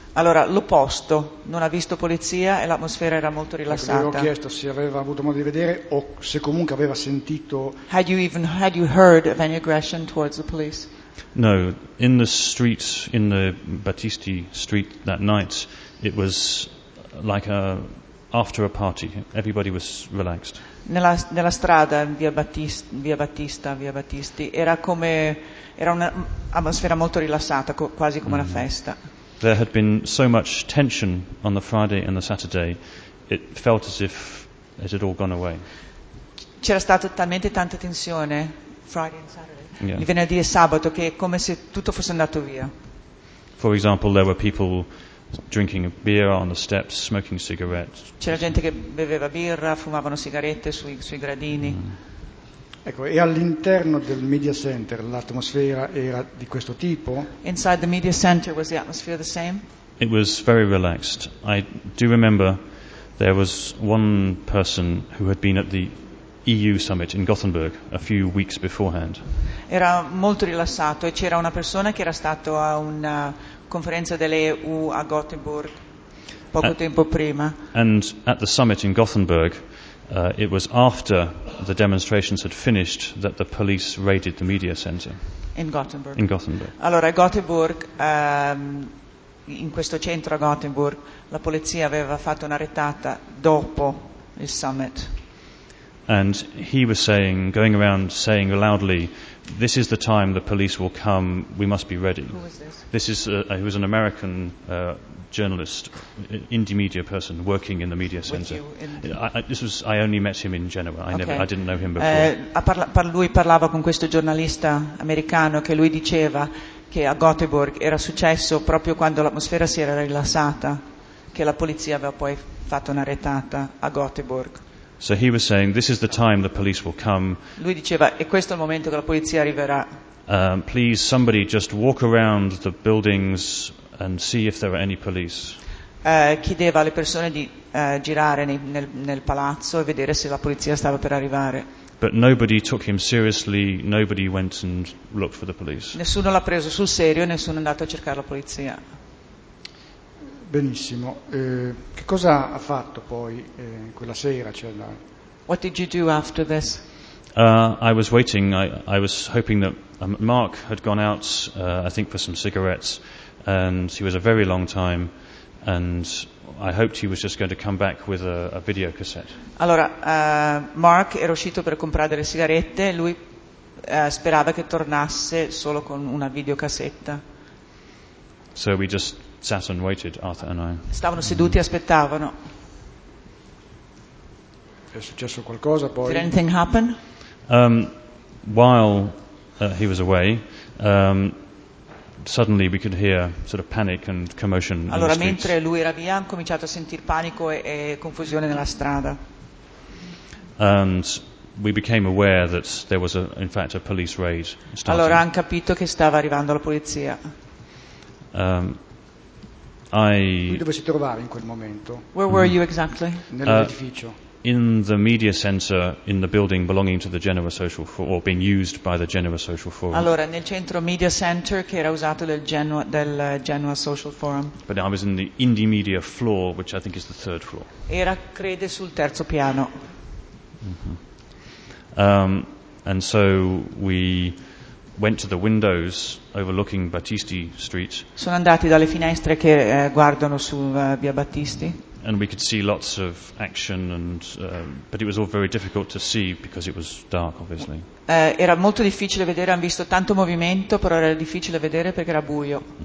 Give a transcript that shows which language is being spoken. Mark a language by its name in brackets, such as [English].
[Italian] Allora, l'opposto, non ha visto polizia e l'atmosfera era molto rilassata. Ecco, gli avevo chiesto se aveva avuto modo di vedere o se comunque aveva sentito. [English] Had you heard of any aggression towards the police? No, in the street, in the Battisti street that night, it was like a after a party. Everybody was relaxed. [Italian] Nella strada via Battisti era un'atmosfera molto rilassata, quasi come una festa. [English] There had been so much tension on the Friday and the Saturday, it felt as if it had all gone away. [Italian] C'era stata talmente tanta tensione [English] Friday and Saturday, yeah, [Italian] il venerdì e sabato, che è come se tutto fosse andato via. [English] For example, there were people drinking a beer on the steps, smoking cigarettes. [Italian] C'era gente che beveva birra, fumavano sigarette sui gradini. Ecco, e all'interno del media center l'atmosfera era di questo tipo? [English] Inside the media center was the atmosphere the same? It was very relaxed. I do remember there was one person who had been at the EU summit in Gothenburg a few weeks beforehand. [Italian] Era molto rilassato e c'era una persona che era stato a una conferenza dell'EU a Gothenburg poco tempo prima. [English] And at the summit in Gothenburg, it was after the demonstrations had finished that the police raided the media center. In Gothenburg. [Italian] Allora, a Gothenburg, in questo centro a Gothenburg, la polizia aveva fatto una retata dopo il summit. [English] And he was saying, going around saying loudly, "This is the time the police will come. We must be ready." Who was this? He was an American journalist, indie media person working in the media center. I only met him in Genoa. I didn't know him before. [Italian] Lui parlava con questo giornalista americano che lui diceva che a Gothenburg era successo proprio quando l'atmosfera si era rilassata, che la polizia aveva poi fatto una retata a Gothenburg. [English] So he was saying, "This is the time the police will come." [Italian] Lui diceva, "E questo è il momento che la polizia arriverà." [English] Please, somebody, just walk around the buildings and see if there are any police. [Italian] Chiedeva alle persone di girare nel palazzo e vedere se la polizia stava per arrivare. [English] But nobody took him seriously. Nobody went and looked for the police. [Italian] Nessuno l'ha preso sul serio. Nessuno è andato a cercare la polizia. Benissimo. Che cosa ha fatto poi quella sera? Cioè la... [English] What did you do after this? I was waiting. I was hoping that Mark had gone out, I think, for some cigarettes, and he was a very long time, and I hoped he was just going to come back with a video cassette. [Italian] Allora, Mark era uscito per comprare delle sigarette. Lui sperava che tornasse solo con una videocassetta. [English] So we just sat and waited, Arthur and I. [Italian] Stavano seduti e aspettavano. È successo qualcosa poi? [English] Did anything happen? While he was away, suddenly we could hear sort of panic and commotion. [Italian] Allora, mentre lui era via, hanno cominciato a sentire panico e confusione nella strada. [English] And we became aware that there was in fact a police raid starting. [Italian] Allora hanno capito che stava arrivando la polizia. Dove si trovava in quel momento? [English] Where were you exactly? [Italian] Nell'edificio. [English] In the media center, in the building belonging to the Genoa Social Forum, or being used by the Genoa Social Forum. [Italian] Allora, nel centro media center che era usato del Genoa Social Forum. [English] But I was in the indie media floor, which I think is the third floor. [Italian] Era, crede, sul terzo piano. Mm-hmm. [English] And so we went to the windows overlooking Battisti Street. [Italian] Sono andati dalle finestre che guardano su via Battisti. [English] And we could see lots of action, but it was all very difficult to see because it was dark, obviously. [Italian] Era molto difficile vedere. Hanno visto tanto movimento, però era difficile vedere perché era buio.